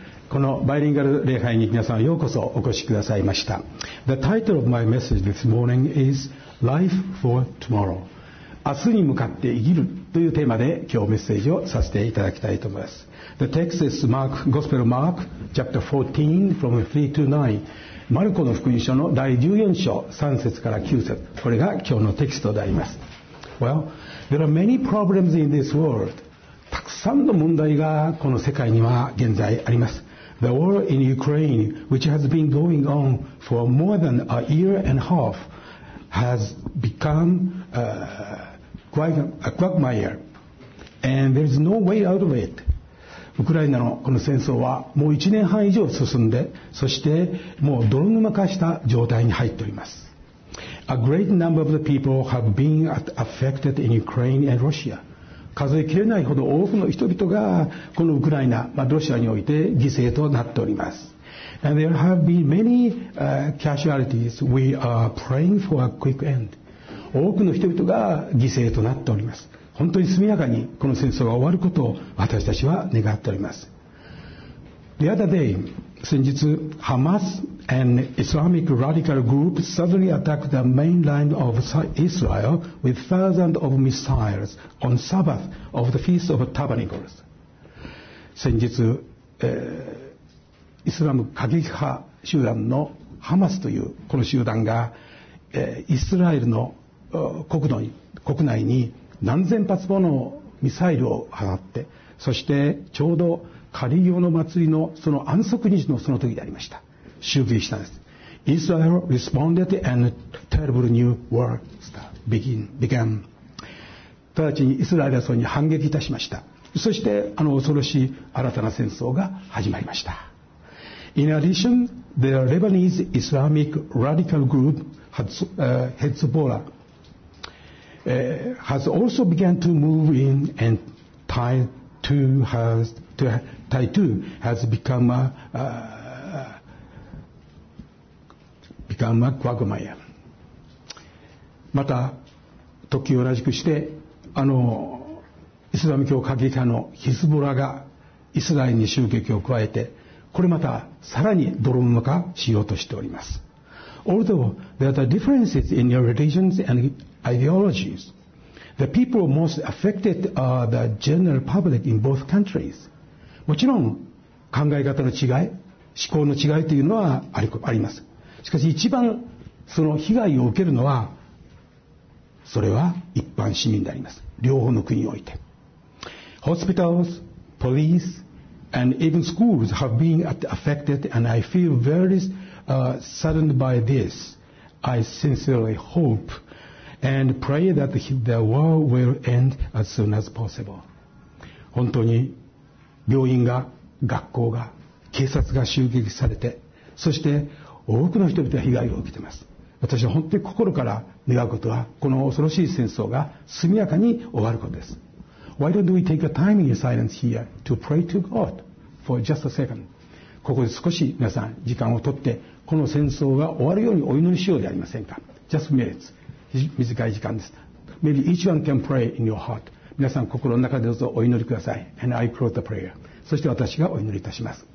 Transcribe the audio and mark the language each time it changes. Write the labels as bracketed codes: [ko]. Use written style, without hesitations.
[ja] このバイリンガル礼拝に皆さんようこそお越しくださいました。 [en] The title of my message this morning is Life for Tomorrow. [ja] 明日に向かって生きるというテーマで今日メッセージをさせていただきたいと思います。 [en] The text is Mark, Gospel of Mark, chapter 14 from 3 to 9. [ja] マルコの福音書の第14章3節から9節、これが今日のテキストであります。 [en] Well, there are many problems in this world. [ja] たくさんの問題がこの世界には現在あります。 [en] The war in Ukraine, which has been going on for more than a year and a half, has become a quagmire, and there is no way out of it. [ja] ウクライナのこの戦争はもう1年半以上進んで、そしてもう泥沼化した状態に入っております。 [en] A great number of the people have been affected in Ukraine and Russia. [ja] 数え切れないほど多くの人々がこのウクライナ、まあ、ロシアにおいて犠牲となっております。 [en] And there have been many casualties. We are praying for a quick end. [ja] 多くの人々が犠牲となっております。本当に速やかにこの戦争が終わることを私たちは願っております。 [en] The other day, [ja] 先日、 [en] Hamas and Islamic radical group suddenly attacked the mainland of Israel with thousands of missiles on Sabbath of the Feast of Tabernacles. [ja] 先日、イスラム過激派集団のハマスというこの集団が、イスラエルの国内に何千発ものミサイルを放って、そしてちょうどカリオの祭りのその安息日のその時でありました。襲撃したんです。 [en] Israel responded and a terrible new war began. [ja] 直ちにイスラエルはそれに反撃いたしました。そしてあの恐ろしい新たな戦争が始まりました。 [en] In addition, the Lebanese Islamic radical group Hezbollahhas also began to move in, and Tai too has become a quagmire. [ja] また時を同じくして、あのイスラム教過激派のヒズボラがイスラエルに襲撃を加えて、これまたさらに泥沼化しようとしております。 [en] Although there are differences in your religions andideologies. The people most affected are the general public in both countries. [ja] もちろん考え方の違い、思考の違いというのはあります。しかし一番その被害を受けるのは、それは一般市民であります。両方の国において。 [en] Hospitals, police, and even schools have been affected, and I feel very saddened by this. I sincerely hopeand pray that the war will end as soon as possible. [ja] 本当に病院が、学校が、警察が襲撃されて、そして多くの人々が被害を受けています。私は本当に心から願うことは、この恐ろしい戦争が速やかに終わることです。 [en] Why don't we take a time in silence here to pray to God for just a second? [ja] ここで少し皆さん時間を取って、この戦争が終わるようにお祈りしようではありませんか。 [en] Just a minute. [ja] 短い時間です。 [en] Maybe each one can pray in your heart. [ja] 皆さん心の中でどうぞお祈りください。 [en] And I close the prayer. [ja] そして私がお祈りいたします。